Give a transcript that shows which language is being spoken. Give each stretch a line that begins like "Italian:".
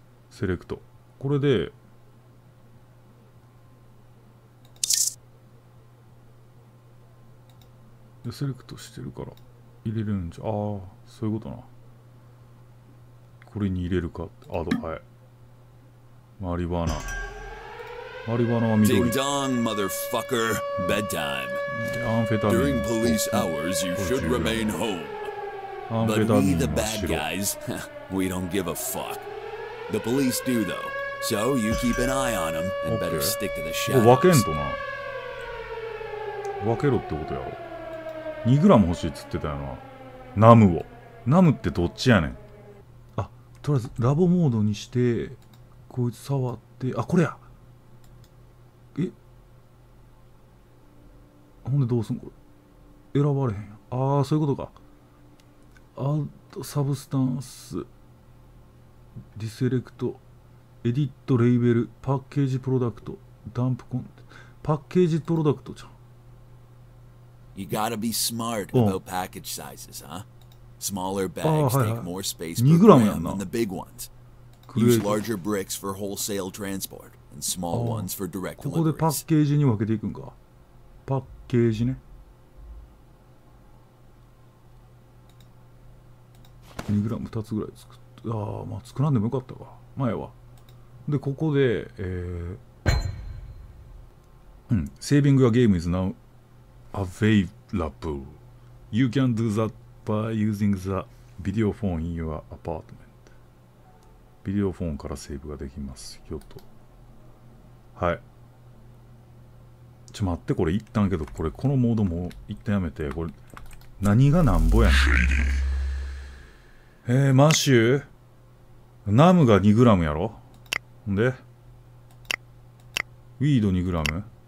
Japanese: セレクト、これで、セレクトしてるから入れるんじゃ、ああそういうことな。これに入れるか、アド、はい。マリバーナ、マリバーナは緑。
English: Ding dong, motherfucker. Bedtime. During police hours, you should remain home. But we the bad guys, we don't give a fuck. The police do though. So you keep an eye on them and better stick to the shadows.
Japanese: 分けんとな。分けろってことやろ。 2グラム欲しいっつってたよな。ナムを。ナムってどっちやねん。あ、とりあえずラボモードにして、こいつ触って、あ、これや。え？ほんでどうすんこれ。選ばれへん。ああ、そういうことか。アドサブスタンス、ディセレクト、エディットレイベル、パッケージプロダクト、ダンプコンテ、パッケージプロダクトじゃん。
English: You gotta be smart about package sizes, huh? Smaller bags take more space per gram than the big ones. Use larger bricks for wholesale transport and small ones for direct deliveries.
Japanese: ここでパッケージに分けていくんか。パッケージね。 2グラム2つぐらい作っ、ああ、まあ作らんでもよかったか。前は。でここで、うん、セービングはゲームイズナウ。
English: Available. You can do that by using the video phone in your apartment.
Japanese: ビデオフォンからセーブができますよと。はい。ちょ待って、これ一旦けど、これこのモードも一旦やめて、これ何がなんぼやん。マッシュ。ナムが2グラムやろ。んで、ウィード2グラム。